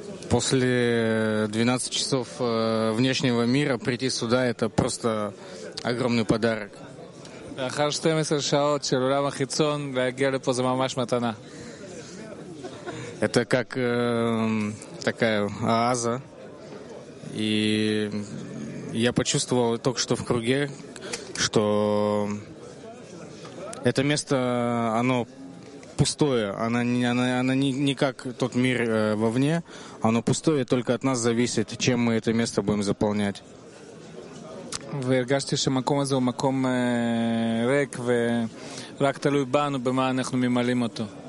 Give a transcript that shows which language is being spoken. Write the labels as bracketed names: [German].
[Russian] После 12 часов внешнего мира прийти сюда — это просто огромный подарок. [Hebrew] לאחר 12 שעות של עולם החיצון, להגיע לפה זה ממש מתנה. [Russian] Это как такая оаза. И я почувствовал только что в круге, что это место, оно пустое, оно не как тот мир вовне, оно пустое, только от нас зависит, чем мы это место будем заполнять. [Hebrew] והרגשתי שהמקום הזה הוא מקום ריק ורק תלוי בנו במה אנחנו ממלאים אותו.